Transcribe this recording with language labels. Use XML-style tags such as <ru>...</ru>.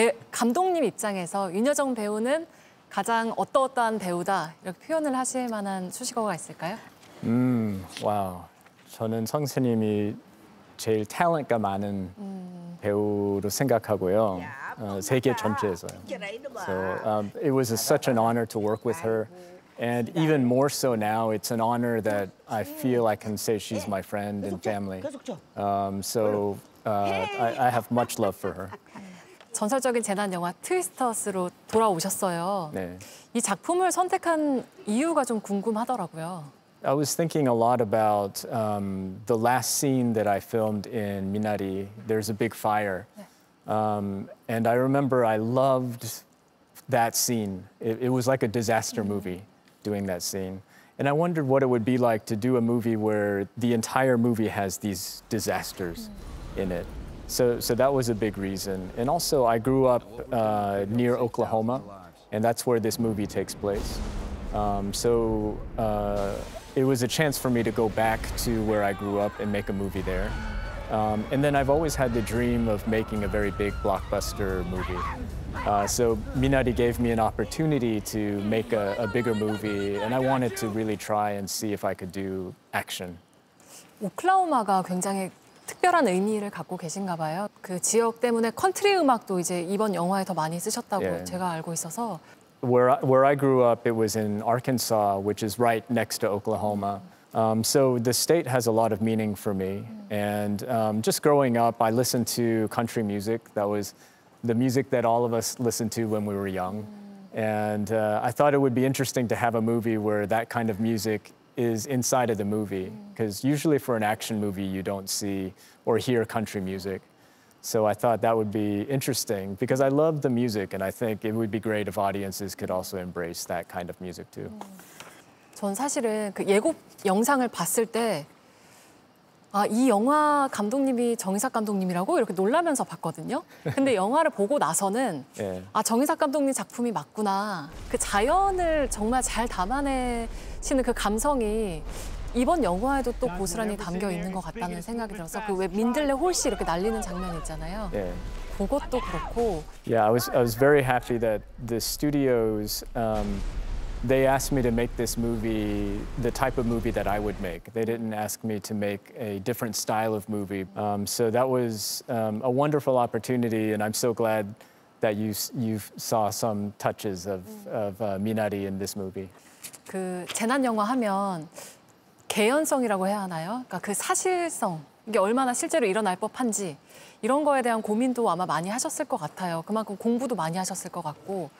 <ko>감독님 입장에서 윤여정 배우는 가장 어떠어떠한 배우다 이렇게 표현을 하실 만한 수식어가 있을까요? 와우. 저는 선생님이 제일 탤런트가 많은 배우로 생각하고요. 세계 전체에서요.</ko> <en>So, it was such an honor to work with her. And even more so now, it's an honor that I feel I can say she's my friend and family. I have much love for her.</en> <ko>전설적인 재난 영화 트위스터스로 돌아오셨어요. 네. 이 작품을 선택한 이유가 좀 궁금하더라고요.</ko> <en>I was thinking a lot about the last scene that I filmed in Minari. There's a big fire. 네. And I remember I loved that scene. It was like a disaster movie. Doing that scene. And I wondered what it would be like to do a movie where the entire movie has these disasters in it. So that was a big reason. And also I grew up near Oklahoma, and that's where this movie takes place. It was a chance for me to go back to where I grew up and make a movie there. And then I've always had the dream of making a very big blockbuster movie. So Minari gave me an opportunity to make a bigger movie, and I wanted to really try and see if I could do action.</en> <ko>오클라호마가 굉장히 특별한 의미를 갖고 계신가 봐요. 그 지역 때문에 컨트리 음악도 이제 이번 영화에 더 많이 쓰셨다고 yeah. 제가 알고 있어서.</ko> <en>Where I grew up, it was in Arkansas, which is right next to Oklahoma. So the state has a lot of meaning for me. And just growing up, I listened to country music. That was the music that all of us listened to when we were young. And I thought it would be interesting to have a movie where that kind of music is inside of the movie. Because usually for an action movie, you don't see or hear country music. So I thought that would be interesting because I love the music. And I think it would be great if audiences could also embrace that kind of music too.</en> <ko>전 사실은 그 예고 영상을 봤을 때 아, 이 영화 감독님이 정의삭 감독님이라고 이렇게 놀라면서 봤거든요. 근데 영화를 보고 나서는 아, 정의삭 감독님 작품이 맞구나. 그 자연을 정말 잘 담아내시는 그 감성이 이번 영화에도 또 고스란히 담겨 있는 것 같다는 생각이 들어서 그 왜 민들레 홀씨 이렇게 날리는 장면 있잖아요. 그것도 그렇고</ko> <en>Yeah, I was very happy that the studios They asked me to make this movie the type of movie that I would make. They didn't ask me to make a different style of movie. So that was a wonderful opportunity, and I'm so glad that you saw some touches of Minari in this movie.</en> <ko>그 재난 영화 하면 개연성이라고 해야 하나요? 그러니까 그 사실성, 이게 얼마나 실제로 일어날 법한지 이런 거에 대한 고민도 아마 많이 하셨을 것 같아요. 그만큼 공부도 많이 하셨을 것 같고.</ko>